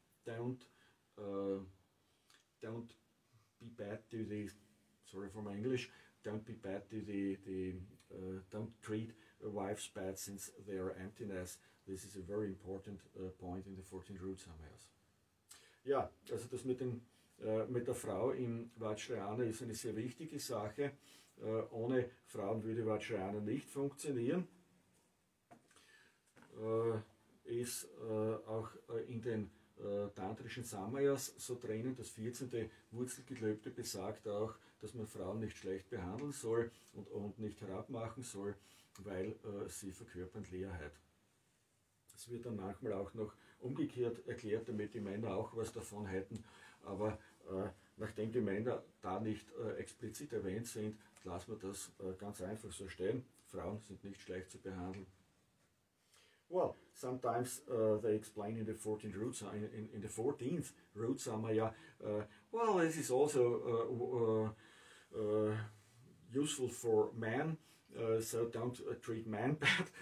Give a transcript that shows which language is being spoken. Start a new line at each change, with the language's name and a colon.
English: Don't be bad to the, sorry for my English, don't be bad to don't treat wives bad since they are emptiness. This is a very important point in the 14 root samayas.
German: Ja, also das mit der Frau im Vajrayana ist eine sehr wichtige Sache. Ohne Frauen würde Vajrayana nicht funktionieren. Ist auch in den tantrischen Samayas so drinnen. Das 14. Wurzelgelübde besagt auch, dass man Frauen nicht schlecht behandeln soll und nicht herabmachen soll, weil sie verkörpern Leerheit. Es wird dann manchmal auch noch umgekehrt erklärt, damit die Männer auch was davon hätten. Aber nachdem die Männer da nicht explizit erwähnt sind, lassen wir das ganz einfach so stehen. Frauen sind nicht schlecht zu behandeln.
English: Well, sometimes they explain in the 14th root, in the 14th root samaya, well, this is also useful for men, so don't treat men bad.